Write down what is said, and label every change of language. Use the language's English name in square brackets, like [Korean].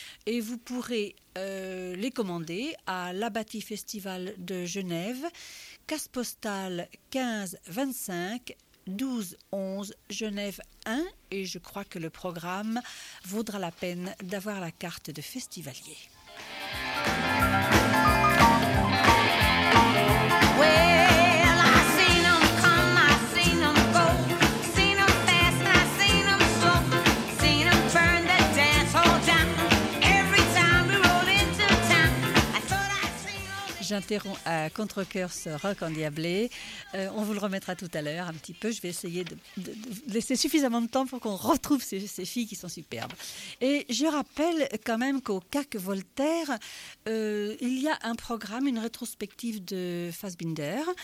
[French] Et vous pourrez les commander à l'Abbatie Festival de Genève, casse postale 15 25 12 11 Genève 1. Et je crois que le programme vaudra la peine d'avoir la carte de festivalier. [English] Well, I seen 'em come, I seen 'em go, seen 'em fast and I seen 'em slow, seen 'em burn the dance hall down. Every time we roll into town, I thought I'd seen 'em. [French] J'interromps à contre-cœur ce rock endiablé. On vous le remettra tout à l'heure un petit peu. Je vais essayer de laisser suffisamment de temps pour qu'on retrouve ces filles qui sont superbes. Et je rappelle quand même qu'au CAC Voltaire, il y a un programme, une rétrospective de Fassbinder.